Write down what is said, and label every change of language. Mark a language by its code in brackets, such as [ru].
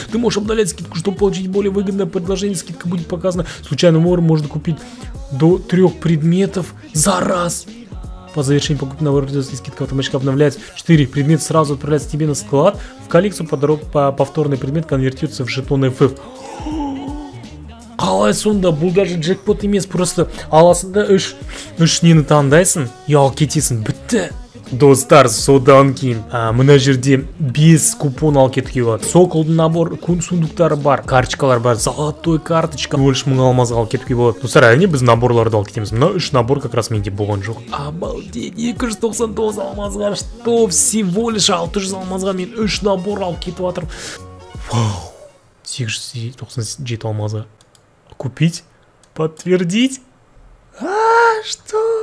[ru] Ты можешь обновлять скидку, чтобы получить более выгодное предложение. Скидка будет показана. Случайным образом можно купить до 3 предметов за раз. По завершении покупки набора придется скидка автоматически обновлять 4 предмета, сразу отправляется тебе на склад. В коллекцию повторный предмет конвертируется в жетон FF. [kk] Қалай сонда, бұл даже джекпот емес, просто аласында үш нені таңдайсын, ял кетесін, бітті. Достар, содан кейін мына жерде 5 купон ал кетуге болады. Соколдың набор күн сундуктары бар, карточкалар бар, золотой карточка, 3000 алмаз ал кетуге болады. Достар, әне біз наборларды ал кетеміз, мына 3 набор как раз менде болған жоқ. Абалдей, 299 алмазға, что всего лишь 600 алмазға мен 3 набор ал кетіп атырым. [ru] Вау, 897 алмазға. Купить? Подтвердить? Что?